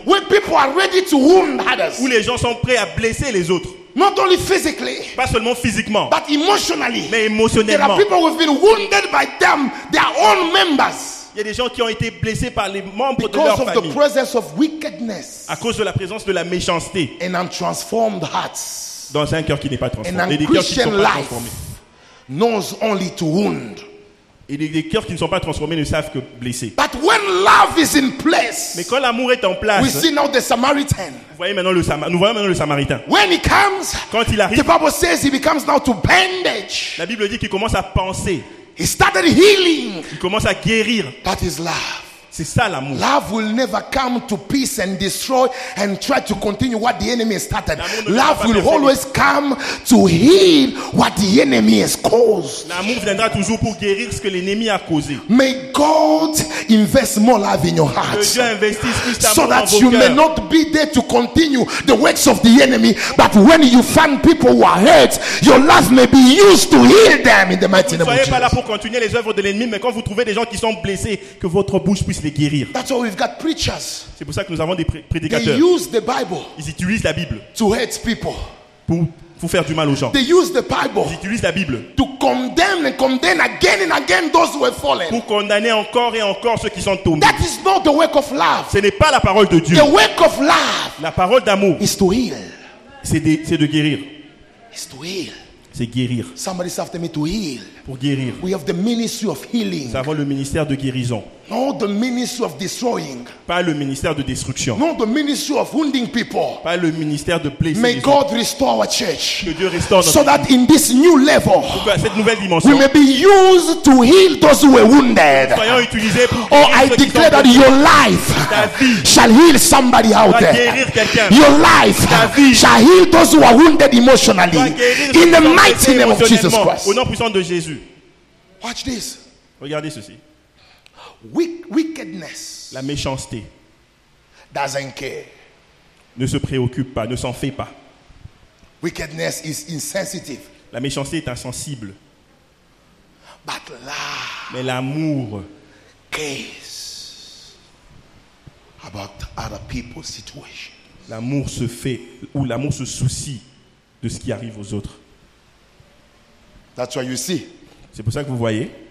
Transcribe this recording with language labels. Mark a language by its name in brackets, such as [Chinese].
[English] Where people are ready to wound others. [French] Où les gens sont prêts à blesser les autres. [English] Not only physically, [French] pas seulement physiquement, [English] but emotionally. [French] Mais émotionnellement. [English] There are people who have been wounded by them, their own members. [French] Il y a des gens qui ont été blessés par les membres [English] because [French] de leur [English] of [French] famille. [English] The presence of wickedness, [French] à cause de la présence de la méchanceté. [English] And untransformed hearts, [French] dans un cœur qui n'est pas transformé. [English] And [French] des cœurs qui ne sont pas transformés. [English] Knows only to wound. [French] Et des cœurs qui ne sont pas transformés ne savent que blesser. [English] But when love is in place, [French] mais quand l'amour est en place, [English] we see now the Samaritan. [French] Nous voyons maintenant le Samaritain. [English] When he comes, [French] quand il arrive, [English] the Bible says he becomes now to bandage. [French] La Bible dit qu'il commence à penser. [English] He started healing. [French] Il commence à guérir. [English] That is love. [French] C'est ça l'amour. [English] Love will never come to peace and destroy and try to continue what the enemy started. Love will always come to heal what the enemy has caused. [French] L'amour viendra toujours pour guérir ce que l'ennemi a causé. [English] May God invest more love in your heart. [French] Que Dieu investisse plus d'amour [English] so that [French] dans [English] you [French] vos [English] may not be there to continue the works of the enemy, but when you find people who are hurt, your love may be used to heal them in the mighty name of Jesus. [French] Vous ne soyez pas là pour continuer les œuvres de l'ennemi, mais quand vous trouvez des gens qui sont blessés, que votre bouche puisse les guérir. [English] That's why we've got preachers. [French] C'est pour ça que nous avons des prédicateurs. [English] They use the Bible. [French] Ils utilisent la Bible. [English] To hurt people. [French] Pour faire du mal aux gens. [English] They use the Bible. [French] Ils utilisent la Bible. [English] To condemn and condemn again and again those who have fallen. [French] Pour condamner encore et encore ceux qui sont tombés. [English] That is not the work of love. [French] Ce n'est pas la parole de Dieu. [English] The work of love. [French] La parole d'amour. [English] Is to heal. [French] C'est de guérir. [English] Is to heal. [French] C'est guérir. [English] Somebody say after me to heal. [French] Pour guérir. [English] We have the ministry of healing. [French] Nous avons le ministère de guérison. [English] Not the ministry of destroying. [French] Pas le ministère de destruction. [English] Not the ministry of wounding people. [French] Pas le ministère de blesser. [English] May God restore our church. [French] Que Dieu restaure notre [English] so [French] église. [English] That in this new level, [French] pour cette nouvelle dimension, [English] we may be used to heal those who were wounded. [French] Soyons utilisés pour guérir. [English] Oh, I declare that your life shall heal somebody out there. Your life shall heal those who are wounded emotionally. In the mighty name of Jesus Christ. [French] Au nom puissant de Jésus. [English] Watch this. [French] Regardez ceci. [English] Wickedness. [French] La méchanceté. [English] Doesn't care. [French] Ne se préoccupe pas, ne s'en fait pas. [English] Wickedness is insensitive. [French] La méchanceté est insensible. [English] But love. [French] Mais l'amour. [English] Cares about other people's situation. [French] L'amour se fait ou l'amour se soucie de ce qui arrive aux autres. [English] That's why you see. [French] C'est pour ça que vous voyez.